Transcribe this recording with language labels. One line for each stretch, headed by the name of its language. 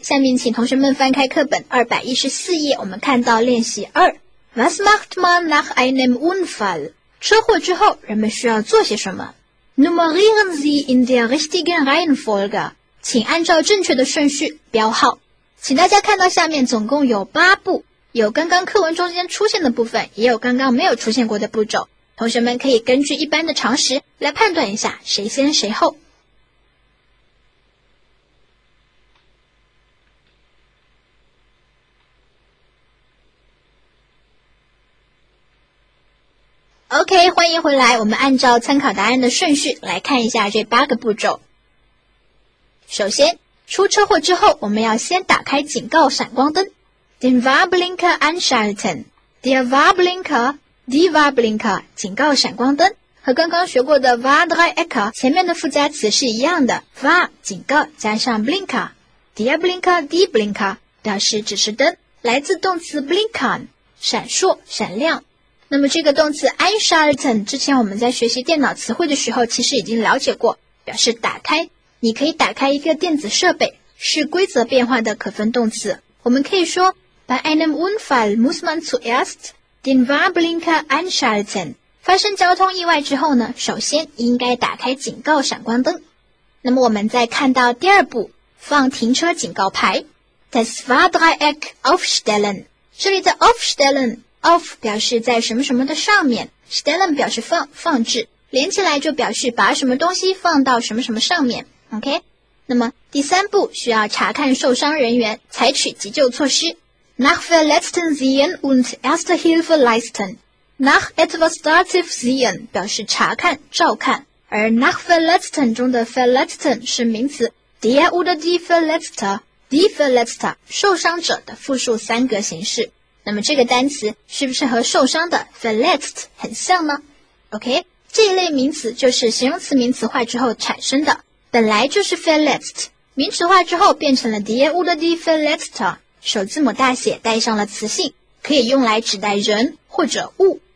Chinese: 下面请同学们翻开课本214页，我们看到练习二。
German: Was macht man nach einem Unfall？
Chinese: 车祸之后，人们需要做些什么 ？
German: Nummerieren Sie in der richtigen Reihenfolge，
Chinese: 请按照正确的顺序标号。请大家看到下面总共有八步，有刚刚课文中间出现的部分，也有刚刚没有出现过的步骤。同学们可以根据一般的常识来判断一下谁先谁后。 OK， 欢迎回来。我们按照参考答案的顺序来看一下这八个步骤。首先，出车祸之后，我们要先打开警告闪光灯。
German: Den Warnblinker anschalten.
Chinese: Der Warnblinker, die Warnblinker, 警告闪光灯。和刚刚学过的 Warndreieck 前面的附加词是一样的。 War, 警告，加上 Blinker. Der Blinker, die Blinker, 表示指示灯。来自动词 Blinkern, 闪烁，闪亮。那么这个动词 anschalten 之前我们在学习电脑词汇的时候其实已经了解过，表示打开。你可以打开一个电子设备，是规则变化的可分动词。我们可以说
German: Bei einem Unfall muss man zuerst den Warnblinker anschalten。
Chinese: 发生交通意外之后呢，首先应该打开警告闪光灯。那么我们再看到第二步，放停车警告牌。
German: Das Warndreieck aufstellen。
Chinese: 这里的 aufstellen，Off 表示在什么什么的上面， Stellen 表示放置，连起来就表示把什么东西放到什么什么上面， OK。那么第三步需要查看受伤人员，采取急救措施。
German: Nach Verletzten sehen und erste Hilfe leisten.
Chinese: Nach etwas Dativ sehen 表示查看、照看，而 Nach Verletzten 中的 Verletzten 是名词， Der oder die Verletzte, die Verletzte 受伤者的复数三格形式。那么这个单词是不是和受伤的 verletzt 很像呢？ OK， 这一类名词就是形容词名词化之后产生的，本来就是 verletzt， 名词化之后变成了 die oder die verletzte， 首字母大写带上了词性，可以用来指代人或者物。